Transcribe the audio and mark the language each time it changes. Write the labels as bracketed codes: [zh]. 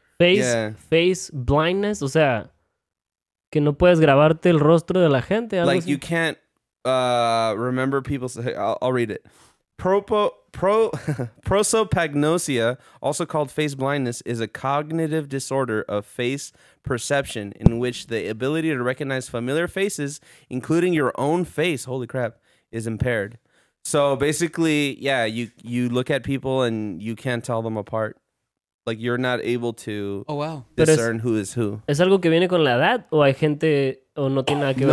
[es] Face blindness, o sea, que no puedes grabarte el rostro de la gente. [en] Like you can't remember people's. I'll read it. Prosopagnosia, also called face blindness, is a cognitive disorder of face perception in which the ability to recognize familiar faces, including your own face, holy crap, is impaired. So basically, yeah, you look at people and you can't tell them apart. Like you're not able to discern who is who. [es] ¿Es algo que viene con la edad o hay gente o no tiene nada que ver?